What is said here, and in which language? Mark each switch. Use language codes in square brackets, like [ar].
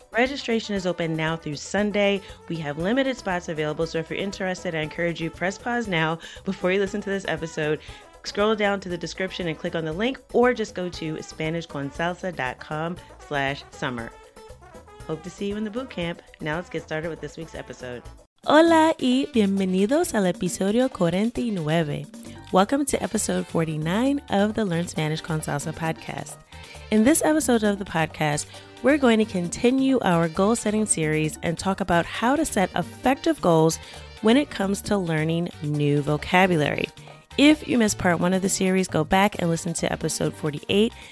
[en] Registration is open now through Sunday. We have limited spots available, so if you're interested, I encourage you press pause now before you listen to this episode. Scroll down to the description and click on the link, or just go to SpanishConSalsa.com/summer. Hope to see you in the boot camp. Now let's get started with this week's episode. [es] Hola y bienvenidos al episodio 49. [en] Welcome to episode 49 of the Learn Spanish con Salsa podcast. In this episode of the podcast, we're going to continue our goal setting series and talk about how to set effective goals when it comes to learning new vocabulary. If you missed part one of the series, go back and listen to episode 48.